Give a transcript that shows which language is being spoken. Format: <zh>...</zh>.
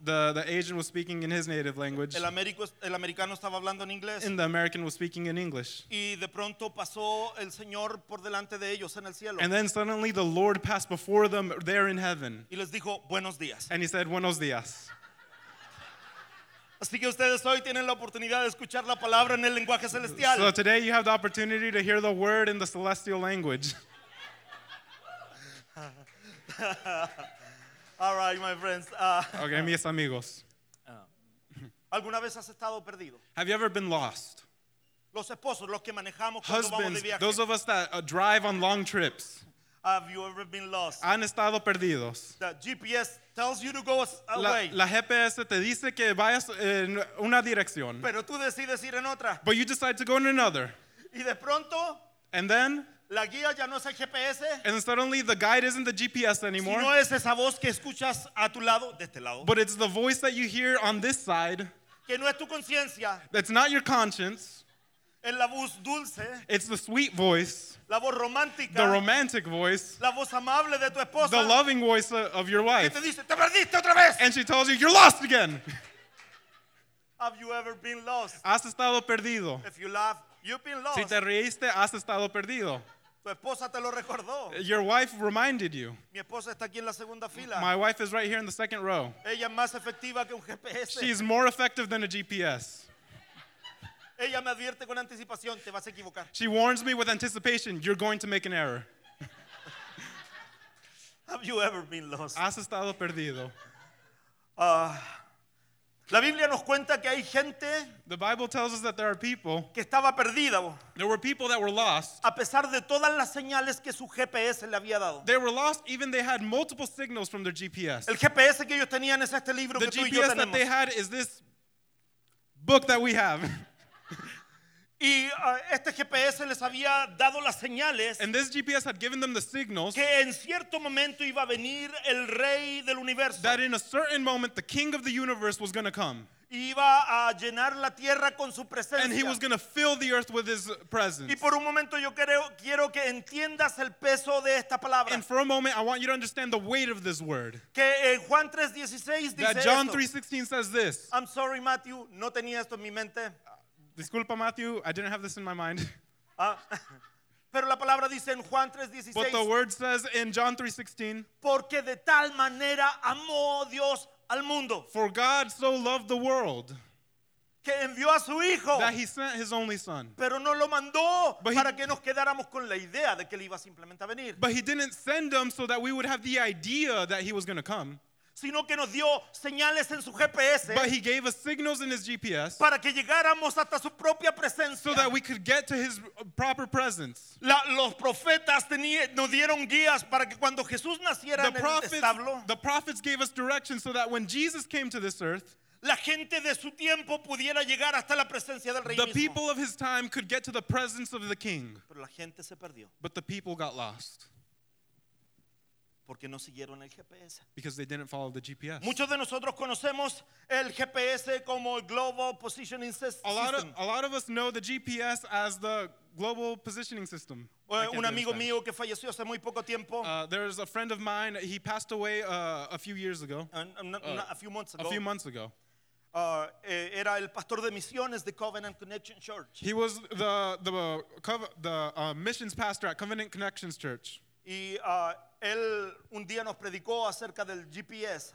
<en>The Asian was speaking in his native language.</en> <es>El americano estaba hablando en inglés.</es> <en>And the American was speaking in English.</en> <es>Y de pronto pasó el Señor por delante de ellos en el cielo.</es> <en>And then suddenly the Lord passed before them there in heaven.</en> <es>Y les dijo, buenos días.</es> <en>And he said,</en> <es>buenos días. Así que ustedes hoy tienen la oportunidad de escuchar la palabra en el lenguaje celestial.</es> <en>So today you have the opportunity to hear the word in the celestial language. All right, my friends.</en> <es>Okay, mis amigos. ¿Alguna vez has estado perdido?</es> <en>Have you ever been lost?</en> <es>Los esposos, los que manejamos</es> <en>Husbands,</en> <es>cuando vamos de viaje.</es> <en>Those of us that drive on long trips. Have you ever been lost?</en> <es>Han estado perdidos.</es> <en>The GPS tells you to go away.</en> <es>La GPS te dice que vayas en una dirección. Pero tú decides ir en otra.</es> <en>But you decide to go in another.</en> <es>Y de pronto,</es> <en>and then,</en> <es>la guía ya no es el GPS.</es> <en>And suddenly the guide isn't the GPS anymore.</en> <es>Sino es esa voz que escuchas a tu lado, de este lado.</es> <en>But it's the voice that you hear on this side.</en> <es>Que no es tu conciencia.</es> <en>That's not your conscience.</en> <es>Es la voz dulce.</es> <en>It's the sweet voice.</en> <es>La voz romántica.</es> <en>The romantic voice.</en> <es>La voz amable de tu esposa.</es> <en>The loving voice of your wife.</en> <es>Y te dice, te perdiste otra vez.</es> <en>And she tells you, you're lost again. Have you ever been lost?</en> <es>Has estado perdido.</es> <en>If you laugh, you've been lost.</en> <es>Si te reíste, has estado perdido. Tu esposa te lo recordó.</es> <en>Your wife reminded you.</en> <es>Mi esposa está aquí en la segunda fila.</es> <en>My wife is right here in the second row.</en> <es>Ella es más efectiva que un GPS.</es> <en>She's more effective than a GPS.</en> <es>Ella me advierte con anticipación, te vas a equivocar.</es> <en>She warns me with anticipation, you're going to make an error. Have you ever been lost?</en> <es>Has estado perdido. La Biblia nos cuenta que hay gente.</es> <en>The Bible tells us that there are people.</en> <es>Que estaba perdida.</es> <en>There were people that were lost.</en> <es>A pesar de todas las señales que su GPS le había dado.</es> <en>They were lost, even they had multiple signals from their GPS.</en> <es>El GPS que ellos tenían es este libro que tú y yo tenemos.</es> <en>The GPS that they had is this book that we have.</en> <es>Y este GPS les había dado las señales.</es> <en>And this GPS had given them the signals.</en> <es>Que en cierto momento iba a venir el rey del universo.</es> <en>That in a certain moment the king of the universe was going to come.</en> <es>Iba a llenar la tierra con su presencia.</es> <en>And he was going to fill the earth with his presence.</en> <es>Y por un momento yo quiero que entiendas el peso de esta palabra.</es> <en>And for a moment I want you to understand the weight of this word.</en> <es>Que Juan 3:16 dice esto.</es> <en>That John 3:16 says this. I'm sorry,</en> <es>Matthew, no tenía esto en mi mente. Disculpa,</es> <en>Matthew, I didn't have this in my mind.</en> <es>Pero la palabra dice en Juan 3:16.</es> <en>But the word says in John 3:16.</en> <es>Porque de tal manera amó Dios al mundo.</es> <en>For God so loved the world.</en> <es>Que envió a su hijo.</es> <en>That he sent his only son.</en> <es>Pero no lo mandó para que nos quedáramos con la idea de que él iba simplemente a venir.</es> <en>But he didn't send him so that we would have the idea that he was going to come.</en> <es>Sino que nos dio señales en su GPS.</es> <en>But he gave us signals in his GPS.</en> <es>Para que llegáramos hasta su propia presencia.</es> <en>So that we could get to his proper presence.</en> <es>Los profetas nos dieron guías para que cuando Jesús naciera en el establo.</es> <en>The prophets gave us directions so that when Jesus came to this earth.</en> <es>La gente de su tiempo pudiera llegar hasta la presencia del rey mismo.</es> <en>The people of his time could get to the presence of the king.</en> <es>Pero la gente se perdió.</es> <en>But the people got lost.</en> <es>Porque no siguieron el GPS.</es> <en>Because they didn't follow the GPS.</en> <es>Muchos de nosotros conocemos el GPS como el Global Positioning System.</es> <en>A lot of us know the GPS as the Global Positioning System.</en> <es>Un amigo mío que falleció hace muy poco tiempo.</es> <en>There's a friend of mine, he passed away a few years ago. A few months ago.</en> <es>Era el pastor de misiones de Covenant Connection Church.</es> <en>He was the missions pastor at Covenant Connections Church.</en> <es>Él un día nos predicó acerca del GPS.</es>